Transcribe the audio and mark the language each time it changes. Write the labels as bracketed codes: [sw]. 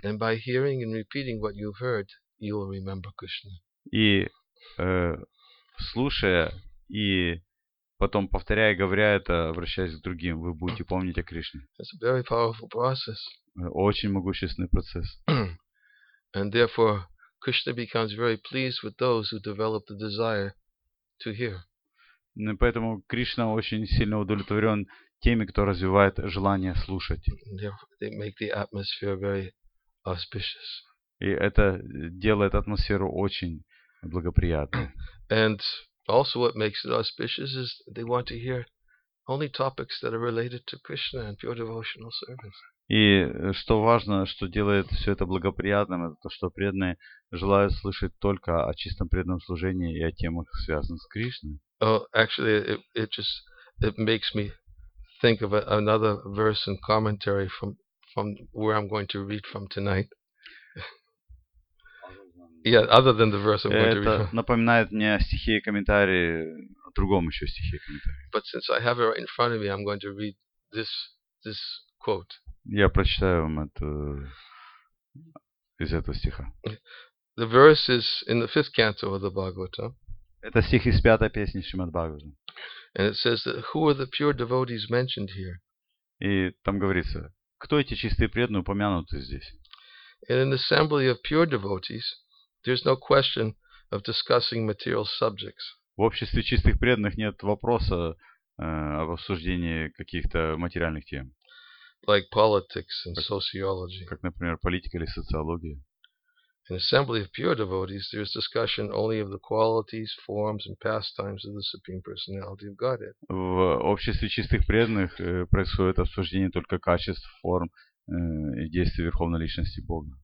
[en] And by hearing and repeating what you've heard, you will remember Krishna. [ru] И слушая и потом повторяя, говоря это, обращаясь к другим, вы будете помнить о Кришне. [en] It's a very powerful process. [ru] Очень могущественный процесс. [en] And therefore Krishna becomes very pleased with those who develop the desire to hear. [ru] Поэтому Кришна очень сильно удовлетворен теми, кто развивает желание слушать. [en] They make the atmosphere very auspicious. [ru] И это делает атмосферу очень благоприятной. [en] And also what makes it auspicious is they want to hear only topics that are related to Krishna and pure devotional service. [ru] И что важно, что делает все это благоприятным, это то, что преданные желают слышать только о чистом преданном служении и о темах, связанных с Кришной. [en] Oh, actually, it makes me think of another verse and commentary from where I'm going to read from tonight. Yeah, other than the verse I'm going to read. [ru] Это напоминает мне о стихе и комментарии, о другом еще стихе и комментарии. [en] But since I have it right in front of me, I'm going to read this quote. [ru] Я прочитаю вам это из этого стиха. [en] The verse is in the fifth canto of the Bhagavata. [ru] Это стих из пятой песни Шримад-Бхагаватам. [en] And it says that who are the pure devotees mentioned here? [ru] И там говорится, кто эти чистые преданные упомянуты здесь? [en] In an assembly of pure devotees, there's no question of discussing material subjects. [ru] В обществе чистых преданных нет вопроса об обсуждении каких-то материальных тем. [en] Like politics and sociology. [ru] Как, например, политика или социология. [en] In an assembly of pure devotees, there is discussion only of the qualities, forms, and pastimes of the Supreme Personality of Godhead. [ru] В обществе чистых преданных происходит обсуждение только качеств, форм и действий Верховной Личности Бога.